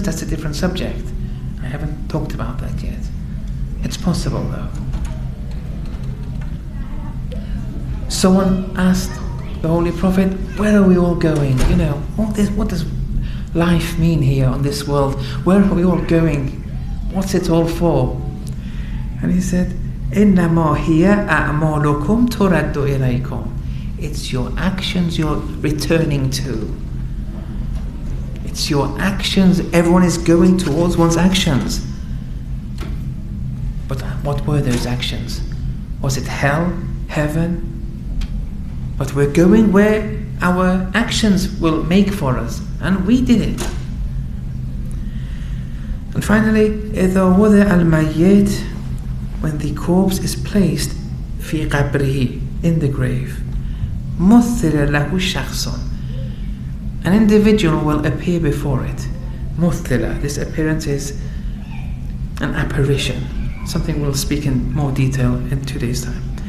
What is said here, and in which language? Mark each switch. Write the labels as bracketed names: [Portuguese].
[English] That's a different subject. I haven't talked about that yet. It's possible, though. Someone asked the Holy Prophet, where are we all going? You know, what does life mean here on this world? Where are we all going? What's it all for? And he said, [Arabic] إِنَّمَا هِيَ أَعْمَالُكُمْ تُرَدُّ إِلَيْكُمْ. [English] It's your actions you're returning to. It's your actions. Everyone is going towards one's actions. But what were those actions? Was it hell? Heaven? But we're going where our actions will make for us. And we did it. And finally, [Arabic] إِذَا وُضِعَ الْمَيِّتْ. [English] When the corpse is placed [Arabic] فِي قَبْرِهِ. [English] In the grave. [Arabic] مُثِّلَ لَهُ شَخْصٌ. [English] An individual will appear before it. [Arabic] مُثِّلَ. [English] This appearance is an apparition. Something we'll speak in more detail in 2 days' time.